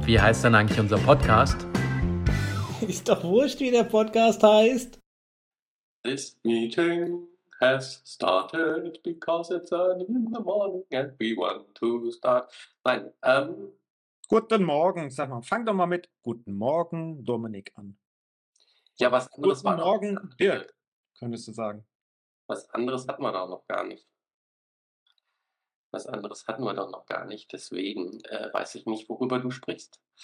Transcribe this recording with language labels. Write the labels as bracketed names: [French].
[German] Wie heißt denn eigentlich unser Podcast? Ist doch wurscht, wie der Podcast heißt. [English] This meeting has started because it's early in the morning and we want to start. [German] Nein, Guten Morgen, sag mal, fang doch mal mit Guten Morgen, Dominik an. Ja, was anderes war. Guten Morgen, Dirk, könntest du sagen. Was anderes hat man auch noch gar nicht. Was anderes hatten wir doch noch gar nicht, deswegen weiß ich nicht, worüber du sprichst.